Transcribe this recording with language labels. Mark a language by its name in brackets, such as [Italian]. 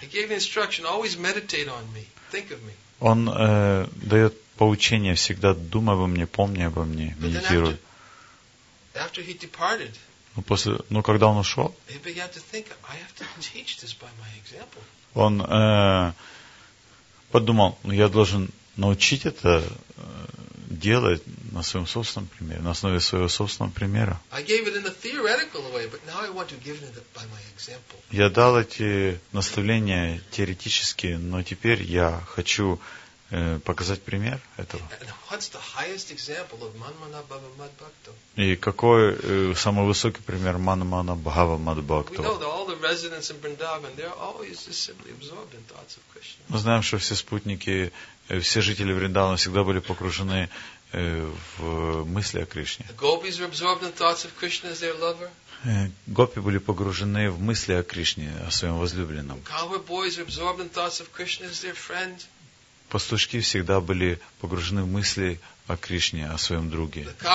[English] He gave the instruction, always meditate on me, think of me. [Russian] Он дает поучение, всегда думай обо мне, помни обо мне, медитируй. [English] After he departed, [Russian] когда он ушел, [English] he began to think, I have to teach this by my example. [Russian] Он подумал, я должен научить это делать на своем собственном примере, на основе своего собственного примера. [English] I gave it in a theoretical way, but now I want to give it by my example. [Russian] Я дал эти наставления теоретически, но теперь я хочу показать пример этого. [English] What's the highest example of Manmana Bhava Madbhakta? [Russian] И какой самый высокий пример Манмана Бхава Мадбхакта? [English] We know that all the residents in Vrindavan, they're always just simply absorbed in thoughts of Krishna. [Russian] Мы знаем, что все спутники, все жители Вриндавана всегда были погружены в мысли о Кришне. [English] The gopis were absorbed in thoughts of Krishna as their lover. [Russian] Гопи были погружены в мысли о Кришне, о своем возлюбленном. [English] Cowboy boys were absorbed in thoughts of Krishna as their friend. [Russian] Пастушки всегда были погружены в мысли о Кришне, о своем друге.